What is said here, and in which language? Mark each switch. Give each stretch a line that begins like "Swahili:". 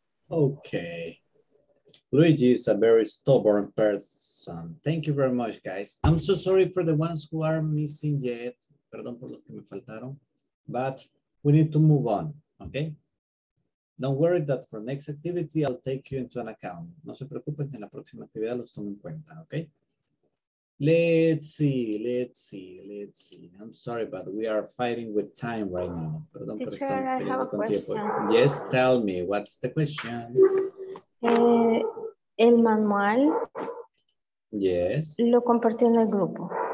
English: Okay. Luigi is a very stubborn person. Thank you very much, guys. I'm so sorry for the ones who are missing yet.
Spanish: Perdón por los que me faltaron.
English: But we need to move on, okay? Don't worry that for next activity, I'll take you into an account.
Spanish: No se preocupen, en la próxima actividad los tomo en cuenta, okay?
English: Let's see. I'm sorry, but we are fighting with time right now.
Spanish: Perdón, teacher, por estar peleando con tiempo.
English: Yes, tell me, what's the question?
Spanish: El manual
English: Yes.
Spanish: Lo compartí en el grupo.